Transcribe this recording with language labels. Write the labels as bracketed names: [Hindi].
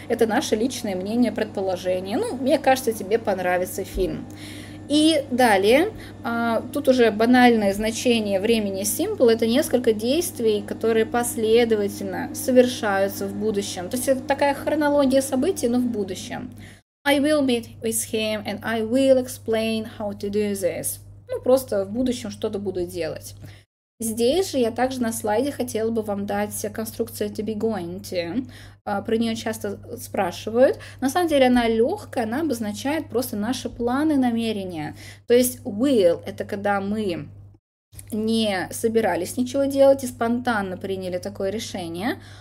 [Russian] Это наше личное мнение, предположение. Ну, мне кажется, тебе понравится фильм. И далее, тут уже банальное значение времени simple, это несколько действий, которые последовательно совершаются в будущем. То есть это такая хронология событий, но в будущем. [English] I will meet with him and I will explain how to do this. [Russian] Ну, просто в будущем что-то буду делать. Здесь же я также на слайде хотела бы вам дать конструкцию to be going to. Про нее часто спрашивают. На самом деле она легкая, она обозначает просто наши планы, намерения. То есть will – это когда мы не собирались ничего делать и спонтанно приняли такое решение.